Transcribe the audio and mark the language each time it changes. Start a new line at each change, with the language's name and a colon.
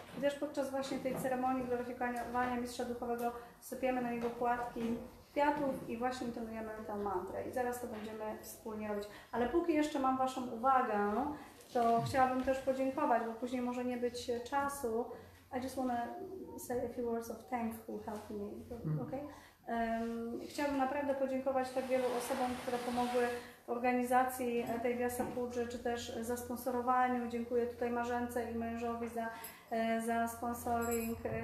Polish: I też podczas właśnie tej ceremonii gloryfikowania mistrza duchowego sypiemy na jego płatki kwiatów i właśnie intonujemy tę mantrę. I zaraz to będziemy wspólnie robić. Ale póki jeszcze mam Waszą uwagę, to chciałabym też podziękować, bo później może nie być czasu.
English: I just wanna say a few words of thanks who helped me, okay?
Polish: Chciałabym naprawdę podziękować tak wielu osobom, które pomogły w organizacji tej Vyasa-puji, czy też za sponsorowaniu. Dziękuję tutaj Marzence i mężowi za sponsoring.